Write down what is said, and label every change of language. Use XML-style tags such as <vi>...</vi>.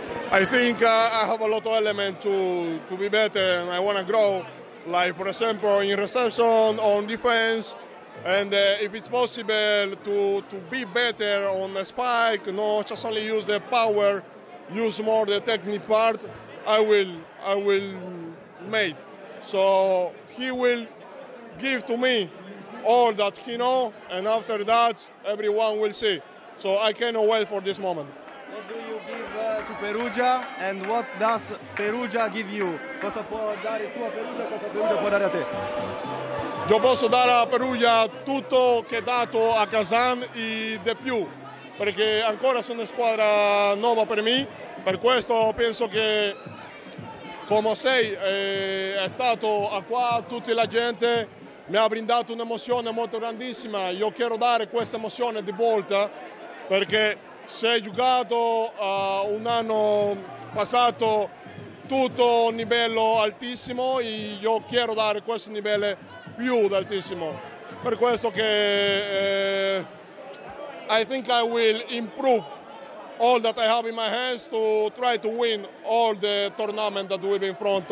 <en>I think I have a lot of elements to be better, and I want to grow, like for example in reception, on defense, and if it's possible to be better on the spike, no, just only use the power, use more the technique part, I will make. So he will give to me all that he know, and after that everyone will see. So I cannot wait for this moment. What do you give to Perugia, and what does Perugia give you?</en> <it>Cosa può dare tu a Perugia, cosa Perugia può dare a te? Io posso dare a Perugia tutto che è dato a Kazan e di più, perché ancora sono una squadra nuova per me. Per questo penso che, come sei, è stato qua tutta la gente, mi ha brindato un'emozione molto grandissima. Io voglio dare questa emozione di volta, perché se hai giocato un anno passato tutto a livello altissimo, e io voglio dare questo livello più altissimo. Per questo che</it> <en>I think I will improve all that I have in my hands to try to win all the tournament that will be in front of</en>